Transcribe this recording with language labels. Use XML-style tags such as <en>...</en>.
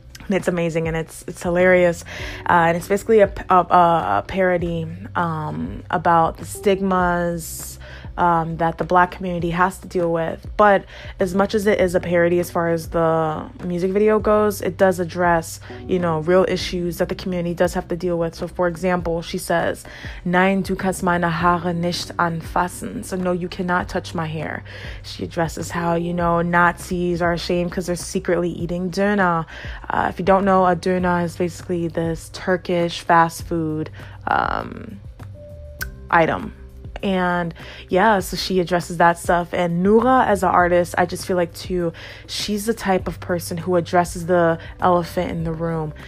<en>It's amazing and it's hilarious, and it's basically a parody about the stigmas that the black community has to deal with. But as much as it is a parody as far as the music video goes, it does address, you know, real issues that the community does have to deal with. So for example, she says,</en> <de>Nein, du kannst meine Haare nicht anfassen.</de> <en>So no, you cannot touch my hair. She addresses how, you know, Nazis are ashamed because they're secretly eating Döner. If you don't know, a Döner is basically this Turkish fast food item. And yeah, so she addresses that stuff. And Nura as an artist, I just feel like too, she's the type of person who addresses the elephant in the room.</en>